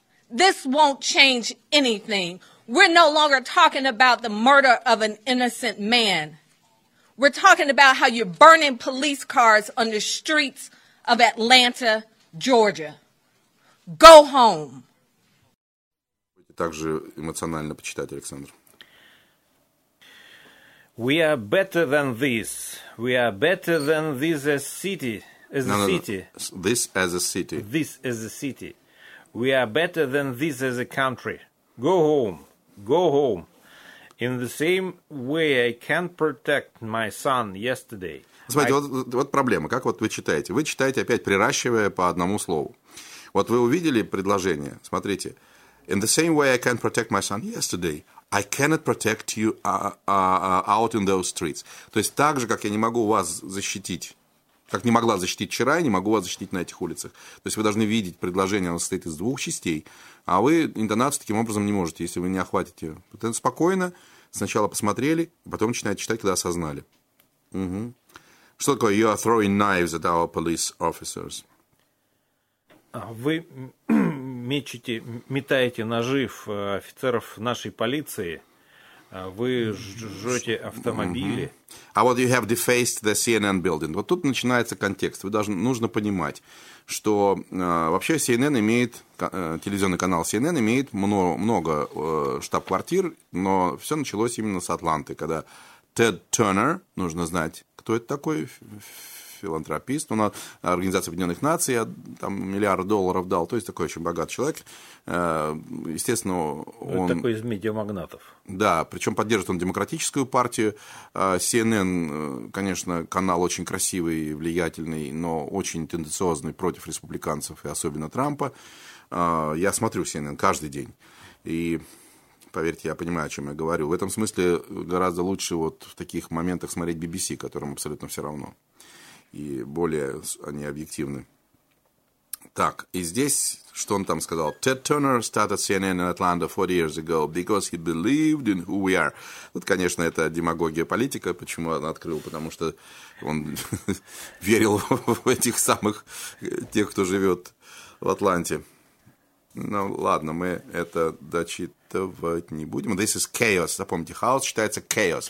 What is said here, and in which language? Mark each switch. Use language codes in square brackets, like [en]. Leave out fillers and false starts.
[en] This won't change anything. We're no longer talking about the murder of an innocent man. We're talking about how you're burning police cars on the streets of Atlanta, Georgia. Go home. [ru] Также эмоционально почитать, Александр. [en] We are better than this. We are better than this as city. As a city. This as a city. This as a city. We are better than this as a country. Go home. Go home. In the same way I can't protect my son yesterday. [ru] Смотрите, вот проблема. Как вот вы читаете? Вы читаете опять, приращивая по одному слову. Вот вы увидели предложение. Смотрите. [en] In the same way I can't protect my son yesterday, I cannot protect you out in those streets. [ru] То есть так же, как я не могу вас защитить. Как не могла защитить вчера, я не могу вас защитить на этих улицах. То есть вы должны видеть предложение, оно состоит из двух частей, а вы интонацию таким образом не можете, если вы не охватите. Вот это спокойно, сначала посмотрели, потом начинаете читать, когда осознали. Угу. Что такое [en] «you are throwing knives at our police officers»? [ru] Вы мечете, метаете ножи в офицеров нашей полиции. Вы жжете автомобили. А вот [en] you have defaced the CNN building. [ru] Вот тут начинается контекст. Вы должны, нужно понимать, что вообще CNN имеет, телевизионный канал CNN имеет много штаб-квартир, но все началось именно с Атланты, когда Тед Тернер, нужно знать, кто это такой, филантропист, он Организация Объединенных Наций, там миллиард долларов дал, то есть такой очень богатый человек. Естественно, он... Это такой из медиамагнатов. Да, причем поддерживает он демократическую партию. CNN, конечно, канал очень красивый, влиятельный, но очень тенденциозный против республиканцев и особенно Трампа. Я смотрю CNN каждый день. И, поверьте, я понимаю, о чем я говорю. В этом смысле гораздо лучше вот в таких моментах смотреть BBC, которым абсолютно все равно. И более они объективны. Так, и здесь, что он там сказал? [en] Ted Turner started CNN in Atlanta 40 years ago because he believed in who we are. [ru] Вот, конечно, это демагогия политика, почему он открыл, потому что он верил в этих самых, тех, кто живет в Атланте. Ну, ладно, мы это дочитывать не будем. [en] This is chaos. [ru] Запомните, хаос считается chaos.